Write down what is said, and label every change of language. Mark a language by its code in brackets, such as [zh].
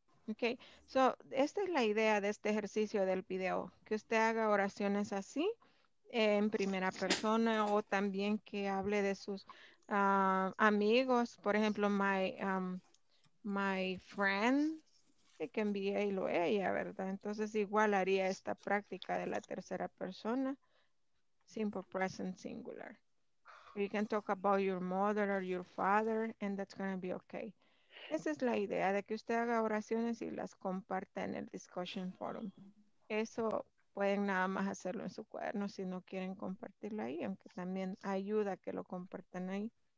[es] Ok, so esta es la idea de este ejercicio del video, que usted haga oraciones así en primera persona o también que hable de sus amigos, por ejemplo, [en] my friend, [es] que envíe y lo ella, ¿verdad? Entonces igual haría esta práctica de la tercera persona, simple present singular. [en] You can talk about your mother or your father and that's going to be okay. [es] Esa es la idea de que usted haga oraciones y las comparta en el discussion forum. Eso pueden nada más hacerlo en su cuaderno si no quieren compartirlo ahí, aunque también ayuda que lo compartan ahí.